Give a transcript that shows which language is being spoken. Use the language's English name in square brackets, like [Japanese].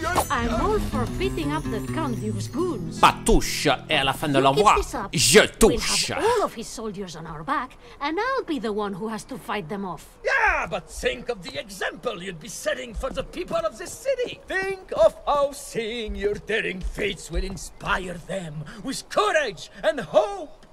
[English] I'm all for beating up the Count Duke's goons. [French] Pas touche et à la fin de l'envoi, je touche. [English] We'll have all of his soldiers on our back, and I'll be the one who has to fight them off. Yeah, but think of the example you'd be setting for the people of this city. Think of how seeing your daring feats will inspire them with courage and hope.